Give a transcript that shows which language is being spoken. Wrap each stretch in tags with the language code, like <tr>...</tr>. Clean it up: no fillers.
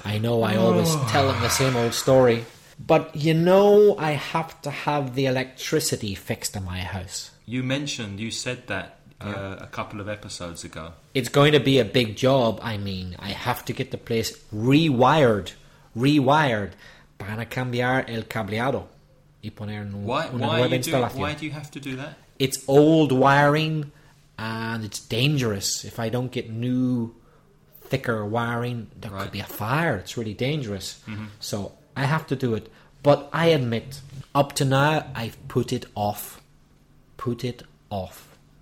<en>I know I always tell them the same old story. But you know I have to have the electricity fixed in my house. You mentioned, you said that a couple of episodes ago. It's going to be a big job, I mean. I have to get the place rewired. Rewired.</en> <es>Van a cambiar el cableado y poner una nueva instalación.</es> <en>Why do you have to do that? It's old wiring and it's dangerous. If I don't get new, thicker wiring, there could be a fire. It's really dangerous. Mm-hmm. So I have to do it. But I admit, up to now, I've put it off. Put it off.</en>